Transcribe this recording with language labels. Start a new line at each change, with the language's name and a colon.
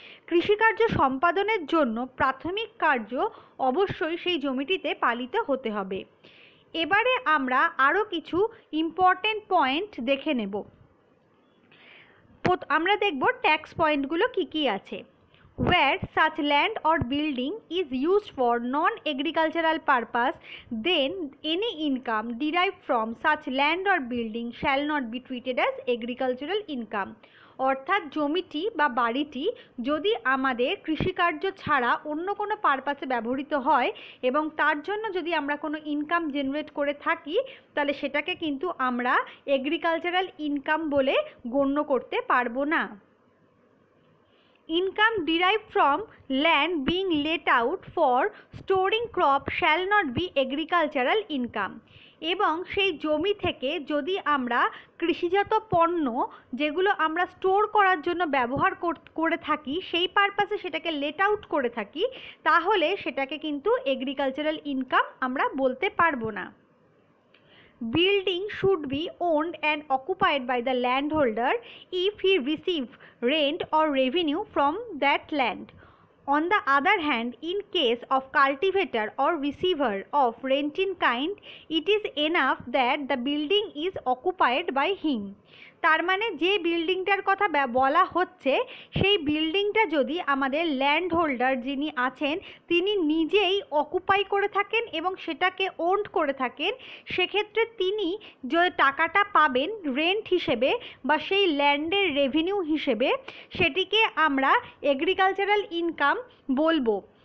Bangla: কৃষিকার্য সম্পাদনের জন্য প্রাথমিক কার্য অবশ্যই সেই জমিটিতে পালিত হতে হবে। এবারে আমরা আরও কিছু ইম্পর্টেন্ট পয়েন্ট দেখে নেব। আমরা দেখব ট্যাক্স পয়েন্টগুলো কী কী আছে।
English: Where such land or building is used for non-agricultural purpose, then any income derived from such land or building shall not be treated as agricultural income.
Bangla: অর্থাৎ, জমিটি বা বাড়িটি যদি আমাদের কৃষিকার্য ছাড়া অন্য কোনো পারপাসে ব্যবহৃত হয় এবং তার জন্য যদি আমরা কোনো ইনকাম জেনারেট করে থাকি তাহলে সেটাকে কিন্তু আমরা এগ্রিকালচারাল ইনকাম বলে গণ্য করতে পারবো না।
English: Income derived from land being let out for storing crop shall not be agricultural income.
Bangla: এবং সেই জমি থেকে যদি আমরা কৃষিজাত পণ্য যেগুলো আমরা স্টোর করার জন্য ব্যবহার করে থাকি সেই পারপাসে সেটাকে লেট আউট করে থাকি তাহলে সেটাকে কিন্তু এগ্রিকালচারাল ইনকাম আমরা বলতে পারবো না।
English: Building should be owned and occupied by the land holder if he receive rent और revenue from that land. On the other hand, in case of cultivator or receiver of rent in kind, it is enough that the building is occupied by him.
Bangla: তার মানে যে বিল্ডিংটার কথা বলা হচ্ছে সেই বিল্ডিংটা যদি আমাদের ল্যান্ড হোল্ডার যিনি আছেন তিনি নিজেই অকুপাই করে থাকেন এবং সেটাকে ওন্ড করে থাকেন, সেক্ষেত্রে তিনি যে টাকাটা পাবেন রেন্ট হিসেবে বা সেই ল্যান্ডের রেভিনিউ হিসেবে সেটিকে আমরা এগ্রিকালচারাল ইনকাম বলবো.